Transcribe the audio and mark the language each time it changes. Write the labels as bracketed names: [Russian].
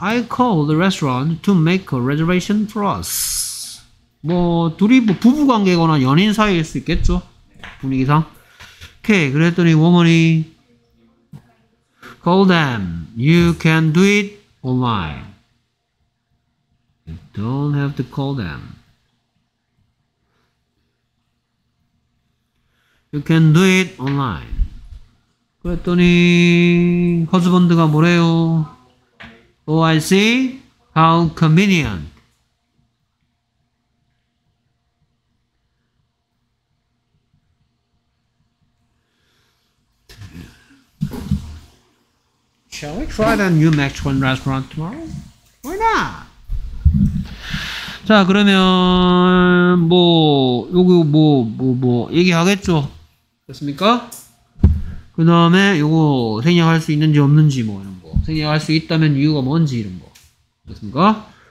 [English] I call the restaurant to make a reservation for us. [Korean] 뭐 둘이 뭐 부부 관계거나 연인 사이일 수 있겠죠. 분위기상. Okay, 그랬더니 woman이 [English] call them. You can do it online. You don't have to call them. You can do it online. [Korean] 그랬더니 husband가 뭐래요? [English] Oh, I see. How convenient. Shall we try the new Mexican restaurant tomorrow? Why not? [Korean] 자, 그러면 뭐 여기 뭐 얘기하겠죠. 됐습니까? 그 다음에 이거 생략할 수 있는지 없는지 뭐 이런 거 생략할 수 있다면 이유가 뭔지 이런 거 됐습니까?